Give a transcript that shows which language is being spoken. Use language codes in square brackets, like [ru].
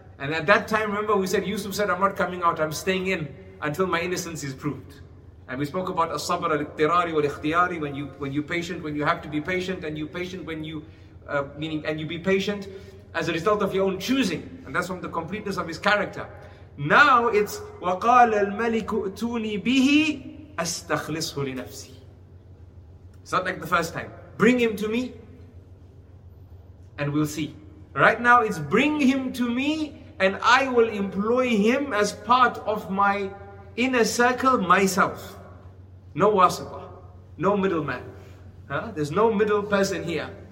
[en] And at that time, remember, we said, Yusuf said, I'm not coming out, I'm staying in until my innocence is proved. And we spoke about as-sabr al-ittirari wal-ikhtiyari, when you patient, when you have to be patient, and you patient when you, meaning, and you be patient as a result of your own choosing. And that's from the completeness of his character. Now it's, [ar] وَقَالَ الْمَلِكُ أُتُونِي بِهِ أَسْتَخْلِصْهُ لِنَفْسِي. [en] It's not like the first time. Bring him to me and we'll see. Right now it's bring him to me and I will employ him as part of my inner circle myself. No wasaba, no middleman. Huh? There's no middle person here.